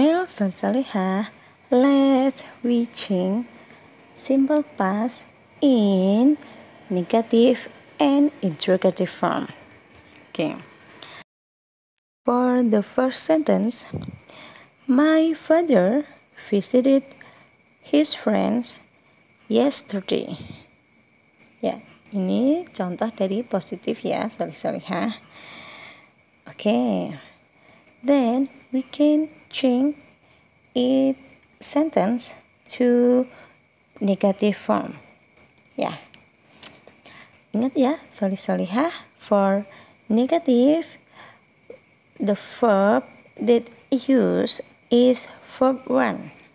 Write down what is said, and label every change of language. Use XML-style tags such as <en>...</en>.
<en>Salihah, let's we change simple past in negative and interrogative form. Okay. For the first sentence, my father visited his friends yesterday.</en> <id>Yeah, ini contoh dari positif ya, Salihah.</id> <en>Okay. Then we can change it sentence to negative form. Yeah.</en> <id>Ingat ya,</id> <en>Salihah, for negative, the verb that use is verb 1.</en>